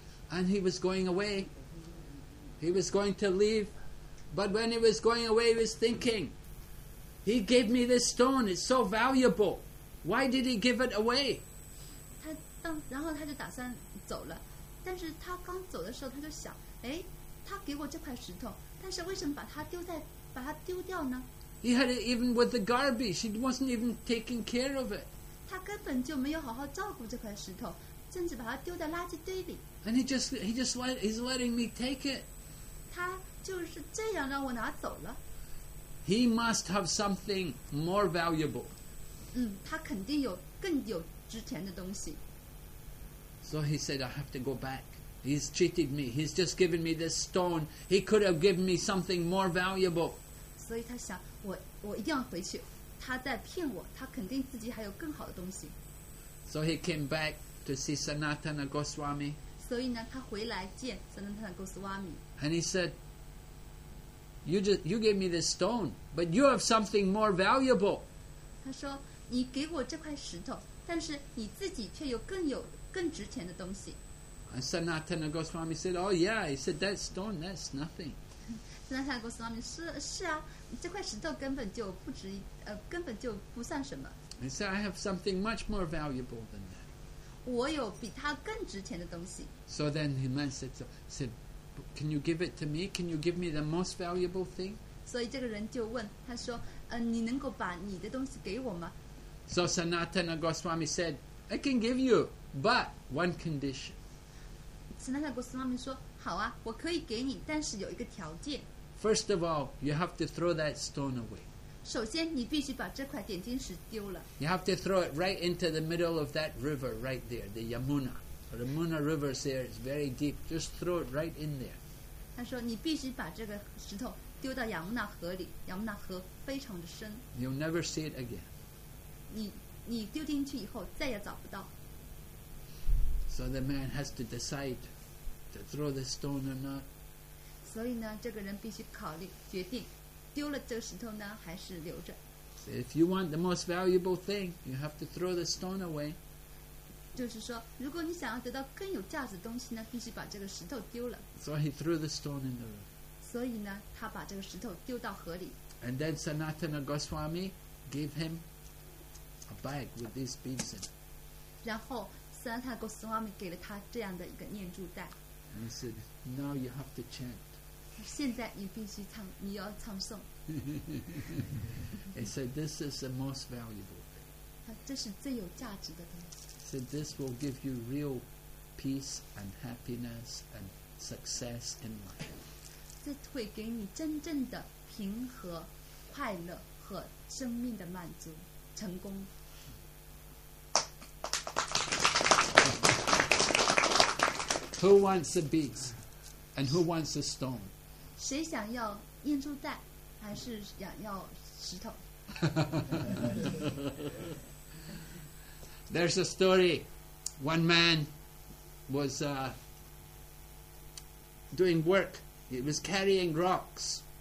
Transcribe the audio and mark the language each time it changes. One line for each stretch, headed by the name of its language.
English: And he was going away. He was going to leave. But when he was going away, he was thinking, he gave me this stone. It's so valuable. Why did he give it away?
Chinese: 然后他就打算走了。但是他刚走的时候，他就想，哎，他给我这块石头，但是为什么把它丢掉呢？
English: He had it even with the garbage. He wasn't even taking care of it.
Chinese: 他根本就没有好好照顾这块石头，甚至把它丢在垃圾堆里。
English: And he's letting me take it.
Chinese: 他就是这样让我拿走了。
English: He must have something more valuable.
Chinese: 他肯定有更有值钱的东西。
English: So he said, I have to go back. He's cheated me. He's just given me this stone. He could have given me something more valuable.
Chinese: 所以他想我一定要回去，他在骗我，他肯定自己还有更好的东西。
English: So he came back to see Sanatana Goswami.
Chinese: 所以呢，他回来见 Sanatana Goswami.
English: And he said, you gave me this stone, but you have something more valuable.
Chinese: 他说你给我这块石头，但是你自己却有更值钱的东西。
English: And Sanatana Goswami said, oh yeah, he said, that stone, that's nothing.
Chinese: 那他告诉他们是是啊，这块石头根本就不值，根本就不算什么。
English: He said, "I have something much more valuable than that."
Chinese: 我有比它更值钱的东西。
English: So then the man said, "Can you give it to me? Can you give me the most valuable thing?"
Chinese: 所以这个人就问他说，你能够把你的东西给我吗
English: ？So Sanatana Goswami said, "I can give you, but one condition."
Chinese: Sanatana Goswami 说。好啊，我可以给你，但是有一个条件。
English: First of all, you have to throw that stone away.
Chinese: 首先，你必须把这块点金石丢了。
English: You have to throw it right into the middle of that river right there, the Yamuna. The Yamuna River is there; it's very deep. Just throw it right in there.
Chinese: 他说，你必须把这个石头丢到亚穆纳河里。亚穆纳河非常的深。
English: You'll never see it again.
Chinese: 你丢进去以后再也找不到。
English: So the man has to decide. To throw the stone or not.
Chinese: 所以呢，这个人必须考虑决定，丢了这个石头呢，还是留着。
English: So if you want the most valuable thing, you have to throw the stone away.
Chinese: 就是说，如果你想要得到更有价值的东西呢，必须把这个石头丢了。
English: So he threw the stone in the river.
Chinese: 所以呢，他把这个石头丢到河里。
English: And then Sanatana Goswami gave him a bag with these beads in.
Chinese: 然后 Sanatana Goswami 给了他这样的一个念珠袋。
English: And he said, now you have to chant.
Chinese: 现在你必须唱，你要唱诵。
English: He said, this is the most valuable thing.
Chinese: 这是最有价值的东西。
English: He said, this will give you real peace and happiness and success in life.
Chinese: 这会给你真正的平和、快乐和生命的满足、成功。
English: Who wants the beads, and who wants the stone?
Chinese: 谁想要念珠袋，还是想要石头？
English: There's a story. One man was doing work. He was carrying rocks.